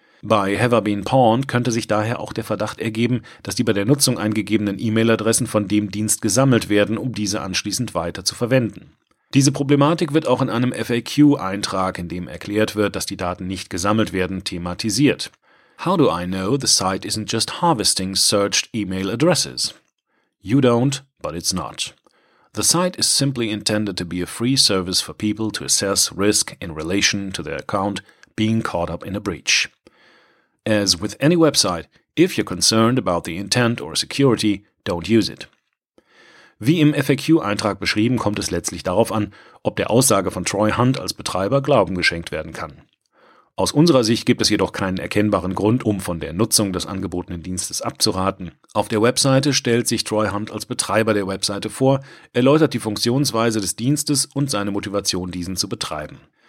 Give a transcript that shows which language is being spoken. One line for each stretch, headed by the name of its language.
German: Bei Have I Been Pwned könnte sich daher auch der Verdacht ergeben, dass die bei der Nutzung eingegebenen E-Mail-Adressen von dem Dienst gesammelt werden, um diese anschließend weiter zu verwenden. Diese Problematik wird auch in einem FAQ-Eintrag, in dem erklärt wird, dass die Daten nicht gesammelt werden, thematisiert.
English: How do I know the site isn't just harvesting searched email addresses? You don't, but it's not. The site is simply intended to be a free service for people to assess risk in relation to their account being caught up in a breach. As with any website, if you're concerned about the intent or security, don't use it.
German: Wie im FAQ-Eintrag beschrieben, kommt es letztlich darauf an, ob der Aussage von Troy Hunt als Betreiber Glauben geschenkt werden kann. Aus unserer Sicht gibt es jedoch keinen erkennbaren Grund, um von der Nutzung des angebotenen Dienstes abzuraten. Auf der Webseite stellt sich Troy Hunt als Betreiber der Webseite vor, erläutert die Funktionsweise des Dienstes und seine Motivation, diesen zu betreiben.